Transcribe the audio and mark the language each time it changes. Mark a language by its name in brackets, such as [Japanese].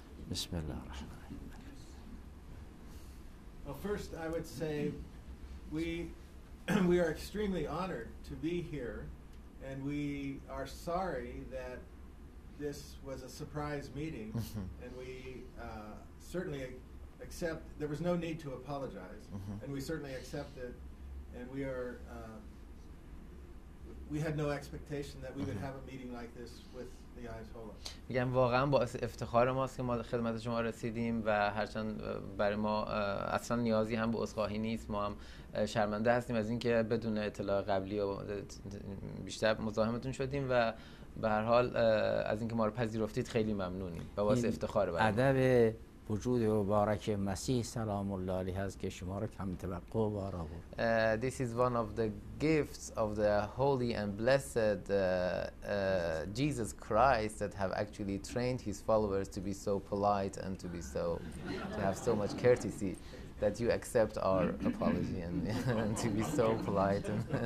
[English] Well, first I would say we are extremely honored to be here, and we are sorry that this was a surprise meeting, and we certainly accept, there was no need to apologize, and we certainly accept it, and we are, we had no expectation that we would have a meeting like this with [Persian] میگم واقعا باعث افتخار ماست که ما خدمت شما رسیدیم و هرچند برای ما اصلا نیازی هم به عذرخواهی نیست ما هم شرمنده هستیم از اینکه بدون اطلاع قبلی و بیشتر مزاحمتون شدیم و به هر حال از اینکه ما رو پذیرفتید خیلی ممنونیم و باعث افتخار برای ما ادب وجود مبارک مسیح سلام الله علیه است که شما رو کم توقع و آرا بود [English] This is one of the gifts of the holy and blessed Jesus Christ that have actually trained his followers to be so polite and to be so to have so much courtesy that you accept our apology and to be so polite and